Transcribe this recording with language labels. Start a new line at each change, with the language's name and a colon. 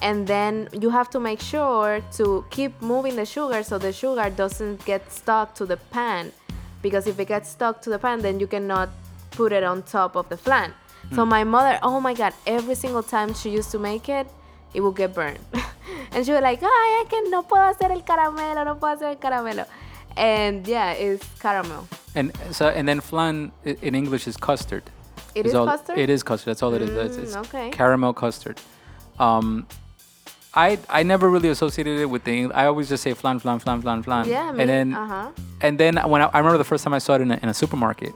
English: And then you have to make sure to keep moving the sugar so the sugar doesn't get stuck to the pan. Because if it gets stuck to the pan, then you cannot put it on top of the flan. Mm. So my mother, oh my God, every single time she used to make it, it would get burned. And she was like, ay, I can't,
Spanish: no puedo hacer el caramelo, no puedo hacer el caramelo.
English: And yeah, it's caramel. And so, and then flan in English is custard. It is custard? It is custard. That's all it is. It's okay. Caramel custard. I never really associated it with the English. I always just say flan. Yeah, me. And then, uh-huh. And then when I remember the first time I saw it in a supermarket.